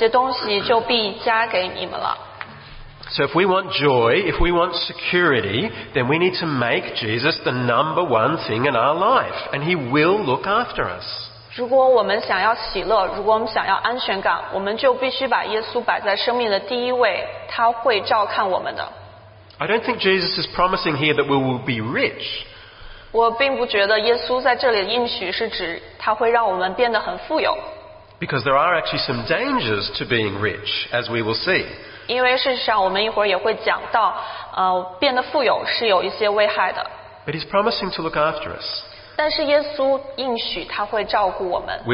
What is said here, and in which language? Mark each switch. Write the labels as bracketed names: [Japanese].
[Chinese] 耶稣给我们应许，30节，这都是外邦人所求的，你们必须用这些东西，你们的父是知道的，你们只要求他的国，这些东西就必加给你们了。 [English] So if we want joy, if we want security, then we need to make Jesus the number one thing in our life, and He will look after us. [Chinese] 如果我们想要喜乐，如果我们想要安全感，我们就必须把耶稣摆在生命的第一位，他会照看我们的。 [English] I don't think Jesus is promising here that we will be rich. [Chinese] 我并不觉得耶稣在这里的应许是指他会让我们变得很富有。 [English] Because there are actually some dangers to being rich, as we will see. [Chinese] 因为事实上，我们一会儿也会讲到，变得富有是有一些危害的。 [English] But He's promising to look after us. [Chinese] 但是耶稣应许他会照顾我们。 [English] We